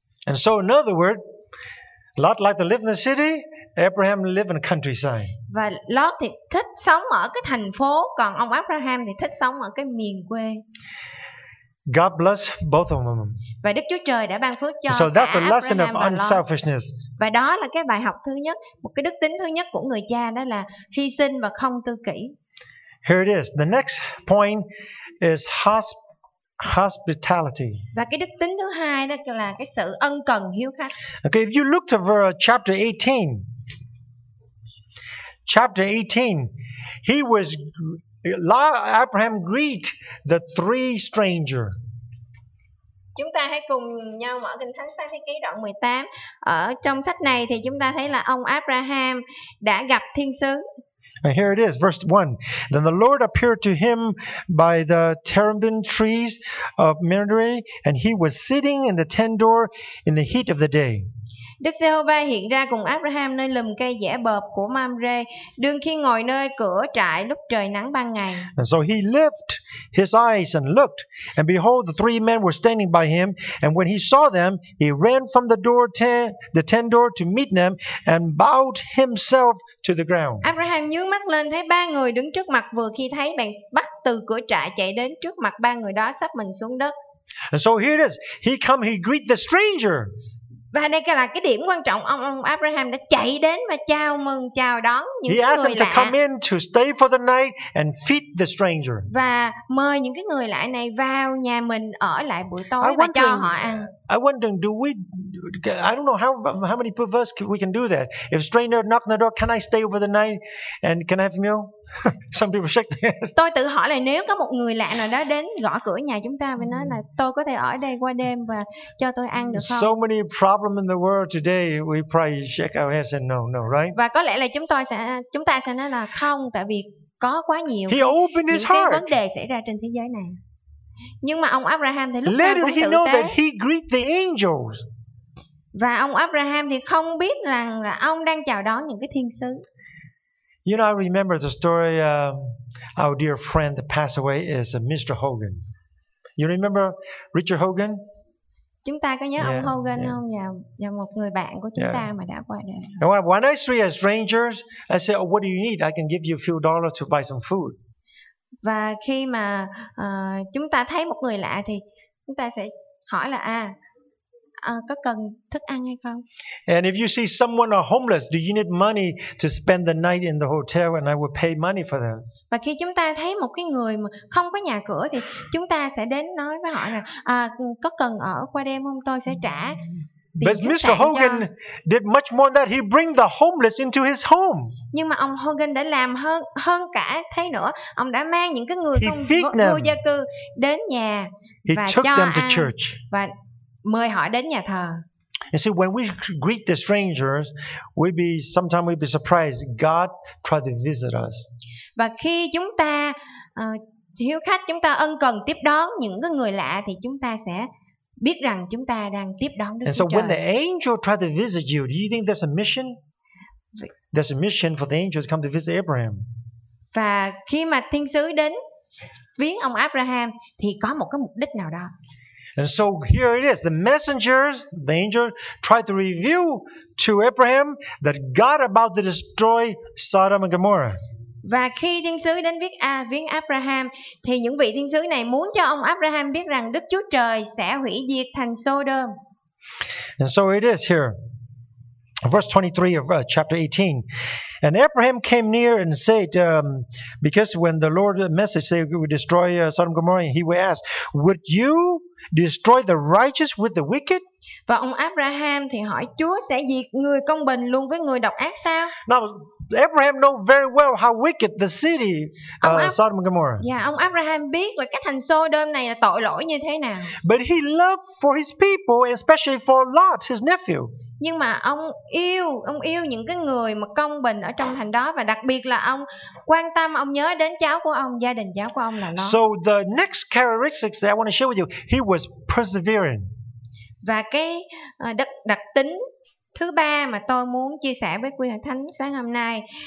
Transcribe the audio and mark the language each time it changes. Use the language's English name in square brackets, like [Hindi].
[English] And so in other words, Lot liked to live in the city, Abraham lived in the countryside. [Vietnamese] Và Lot thì thích sống ở cái thành phố, còn ông Abraham thì thích sống ở cái miền quê. [English] God bless both of them. [Vietnamese] Và Đức Chúa Trời đã ban phước cho [English] so that's a lesson of unselfishness. [Vietnamese] Và đó là cái bài học thứ nhất, một cái đức tính thứ nhất của người cha, đó là hy sinh và không tư kỷ. [English] Here it is. The next point is hospitality. [Vietnamese] Và cái đức tính thứ hai đó là cái sự ân cần hiếu khách. [English] Okay, if you look to chapter 18. Chapter 18. He was Abraham greet the three stranger. [Vietnamese] Chúng ta hãy cùng nhau mở Kinh Thánh sang Thi Ký đoạn 18. Ở trong sách này thì chúng ta thấy là ông Abraham đã gặp thiên sứ. [English] And here it is, verse 1. Then the Lord appeared to him by the terebinth trees of Mamre, and he was sitting in the tent door in the heat of the day. [Vietnamese] Đức Giê-hô-va hiện ra cùng Abraham nơi lùm cây giả bợp của Mamre, đương khi ngồi nơi cửa trại lúc trời nắng ban ngày. [English] And so he lifted his eyes and looked, and behold, the three men were standing by him. And when he saw them, he ran from the door the tent door to meet them and bowed himself to the ground. [Vietnamese] Abraham nhướng mắt lên thấy ba người đứng trước mặt, vừa khi thấy bèn bắt từ cửa trại chạy đến trước mặt ba người đó, sắp mình xuống đất. [English] And so here it is. He come, he greet the stranger. [Vietnamese] Và đây là cái điểm quan trọng. Ông Abraham đã chạy đến và chào mừng, chào đón những người lạ. [English] He asked them to come in to stay for the night and feed the stranger. [Vietnamese] Và mời những cái người lạ này vào nhà mình ở lại buổi tối và cho họ ăn. [English] I wonder, do we? I don't know how many perverse we can do that. If stranger knock on the door, can I stay over the night and can I have meal? Some people shake their head. [Vietnamese] Tôi tự hỏi là nếu có một người lạ nào đó đến gõ cửa nhà chúng ta và nói là tôi có thể ở đây qua đêm và cho tôi ăn được không? [English] So many problems in the world today, we probably shake our heads and no, right? [Vietnamese] Và có lẽ là chúng ta sẽ nói là không, tại vì có quá nhiều những cái vấn đề xảy ra trên thế giới này. Nhưng mà ông Abraham thì lúc [English] later, [Vietnamese] nào cũng tự tế. [English] That he greet the angels. [Vietnamese] Và ông Abraham thì không biết rằng là ông đang chào đón những cái thiên sứ. [English] You know, I remember the story our dear friend that passed away is Mr. Hogan. You remember Richard Hogan? [Vietnamese] Chúng ta có nhớ ông Hogan không? Nhà một người bạn của chúng ta mà đã qua đời. [English] And when I see a stranger, I say, oh, what do you need? I can give you a few dollars to buy some food. [Vietnamese] Và khi mà chúng ta thấy một người lạ thì chúng ta sẽ hỏi là có cần thức ăn hay không? [English] And if you see someone are homeless, do you need money to spend the night in the hotel and I will pay money for them? [Vietnamese] Và khi chúng ta thấy một cái người mà không có nhà cửa thì chúng ta sẽ đến nói với họ là có cần ở qua đêm không? Tôi sẽ trả. [English] But Mr. Hogan did much more than that. He bring the homeless into his home. [Vietnamese] Nhưng mà ông Hogan đã làm hơn cả thế nữa. Ông đã mang những cái người không vô gia cư đến nhà và cho [English] them to church. [Vietnamese] Và mời họ đến nhà thờ. [English] You see, when we greet the strangers, sometimes we be surprised God try to visit us. [Vietnamese] Và khi chúng ta hiếu khách, chúng ta ân cần tiếp đón những cái người lạ thì chúng ta sẽ biết rằng chúng ta đang tiếp đón Đức Chúa Trời. [English] And so when the angel try to visit you, do you think there's a mission? There's a mission for the angel to come to visit Abraham. [Vietnamese] Và khi mà thiên sứ đến viếng ông Abraham thì có một cái mục đích nào đó. [English] And so here it is. The messengers, the angel, tried to reveal to Abraham that God about to destroy Sodom and Gomorrah. [Vietnamese] Và khi thiên sứ đến viếng Abraham, thì những vị thiên sứ này muốn cho ông Abraham biết rằng Đức Chúa Trời sẽ hủy diệt thành Sodom. [English] And so it is here. Verse 23 of chapter 18. And Abraham came near and said, because when the Lord message said he would destroy Sodom and Gomorrah, he would ask, would you destroy the righteous with the wicked? [Vietnamese] Và ông Abraham thì hỏi Chúa sẽ diệt người công bình luôn với người độc ác sao? [English] Now, Abraham knows very well how wicked the city Sodom and Gomorrah. [Vietnamese] Yeah, ông Abraham biết là cái thành Sodom này là tội lỗi như thế nào. [English] But he loved for his people, especially for Lot, his nephew. [Vietnamese] Nhưng mà ông yêu những cái người mà công bình ở trong thành đó, và đặc biệt là ông quan tâm, ông nhớ đến cháu của ông, gia đình cháu của ông là Lot. [English] So the next characteristics that I want to share with you, he was persevering. [Vietnamese] Và cái đặc tính thứ ba mà tôi muốn chia sẻ với quý hội thánh sáng hôm nay